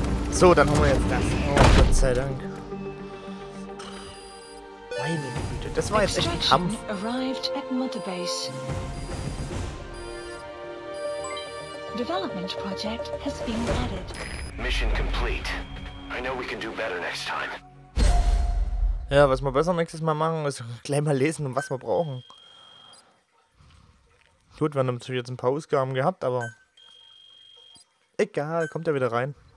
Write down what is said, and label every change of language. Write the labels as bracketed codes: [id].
[de] So, dann haben wir jetzt das. Oh, Gott sei Dank. Meine Güte, das war jetzt echt ein Kampf. [en] Arrived at Mother Base. Development project has been added. Mission complete. I know we can do better next time. [de] Ja, was wir besser nächstes Mal machen, ist gleich mal lesen, was wir brauchen. Gut, wir haben jetzt ein paar Ausgaben gehabt, aber egal, kommt ja wieder rein.